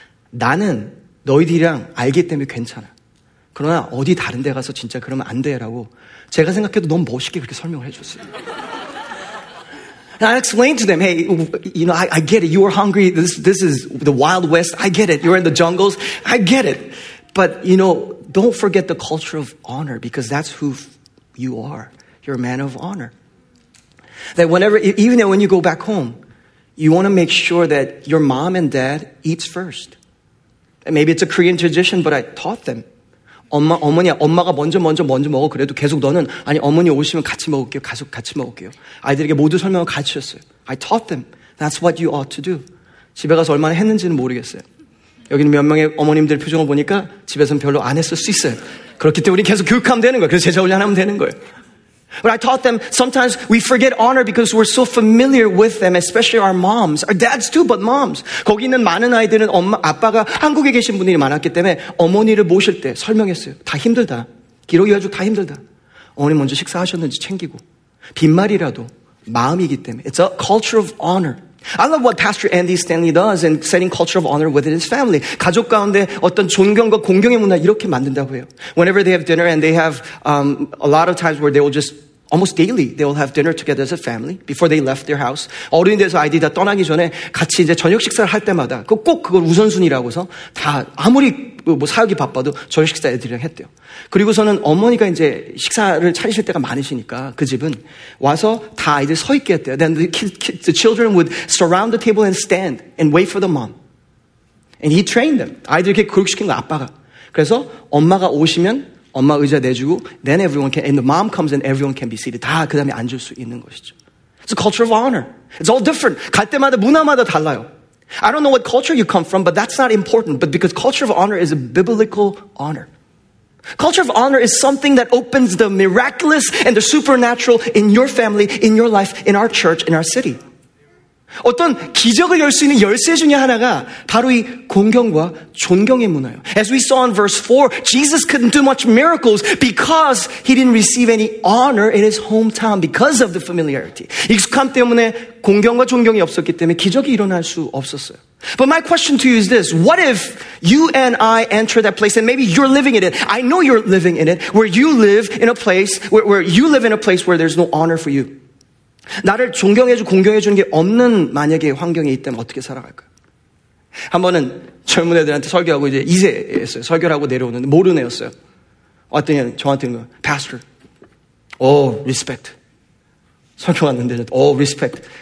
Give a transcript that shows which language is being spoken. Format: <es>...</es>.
<ko>나는 너희들이랑 알기 때문에 괜찮아. 그러나 어디 다른 데 가서 진짜 그러면 안 돼라고 제가 생각해도 너무 멋있게 그렇게 설명을 해줬어요.</ko> <en>And I explained to them, hey, you know, I get it. You are hungry. This is the Wild West. I get it. You're in the jungles. I get it. But, you know, don't forget the culture of honor because that's who you are. You're a man of honor. That whenever, even when you go back home, you want to make sure that your mom and dad eats first. Maybe it's a Korean tradition, but I taught them.</en> <ko>엄마, 어머니야, 엄마가 먼저 먹어. 그래도 계속 너는, 아니, 어머니 오시면 같이 먹을게요. 계속 같이 먹을게요. 아이들에게 모두 설명을 가르쳤어요.</ko> <en>I taught them. That's what you ought to do.</en> <ko>집에 가서 얼마나 했는지는 모르겠어요. 여기는 몇 명의 어머님들 표정을 보니까 집에서는 별로 안 했을 수 있어요. 그렇기 때문에 계속 교육하면 되는 거예요. 그래서 제자훈련 하면 되는 거예요.</ko> <en>But I taught them, sometimes we forget honor because we're so familiar with them, especially our moms. Our dads too, but moms.</en> <ko>거기 있는 많은 아이들은 엄마, 아빠가 한국에 계신 분들이 많았기 때문에 어머니를 모실 때 설명했어요. 다 힘들다. 기러기 아주 다 힘들다. 어머니 먼저 식사하셨는지 챙기고. 빈말이라도 마음이기 때문에.</ko> <en>It's a culture of honor. I love what Pastor Andy Stanley does in setting culture of honor within his family.</en> <ko>가족 가운데 어떤 존경과 공경의 문화 이렇게 만든다고 해요.</ko> <en>Whenever they have dinner and they have a lot of times where they will just, almost daily, they will have dinner together as a family before they left their house.</en> <ko>어른이 돼서 아이들이 다 떠나기 전에 같이 이제 저녁 식사를 할 때마다 꼭 그걸 우선순위라고 해서 다 아무리 뭐 사역이 바빠도 저녁 식사 애들이랑 했대요. 그리고서는 어머니가 이제 식사를 차리실 때가 많으시니까 그 집은 와서 다 아이들 서 있게 했대요.</ko> <en>Then the children would surround the table and stand and wait for the mom. And he trained them.</en> <ko>아이들 이렇게 교육시킨 거 아빠가. 그래서 엄마가 오시면 엄마 의자 내주고</ko> <en>then everyone can, and the mom comes and everyone can be seated.</en> <ko>다 그 다음에 앉을 수 있는 것이죠.</ko> <en>It's a culture of honor. It's all different.</en> <ko>갈 때마다 문화마다 달라요.</ko> <en>I don't know what culture you come from, but that's not important. But because culture of honor is a biblical honor. Culture of honor is something that opens the miraculous and the supernatural in your family, in your life, in our church, in our city.</en> <ko>어떤 기적을 열 수 있는 열쇠 중에 하나가 바로 이 공경과 존경의 문화예요.</ko> <en>As we saw in verse 4, Jesus couldn't do much miracles because he didn't receive any honor in his hometown because of the familiarity.</en> <ko>익숙함 때문에 공경과 존경이 없었기 때문에 기적이 일어날 수 없었어요.</ko> <en>But my question to you is this. What if you and I enter that place, and maybe you're living in it. I know you're living in it, where you live in a place, where you live in a place where there's no honor for you.</en> <ko>나를 존경해주고 공경해주는 게 없는 만약에 환경에 있다면 어떻게 살아갈까요? 한 번은 젊은 애들한테 설교하고 이제 2세였어요. 설교를 하고 내려오는데 모르는 애였어요. 왔더니 저한테 있는 거예요.</ko> <en>Pastor, oh, respect.</en> <ko>설교 왔는데,</ko> <en>oh, respect.</en>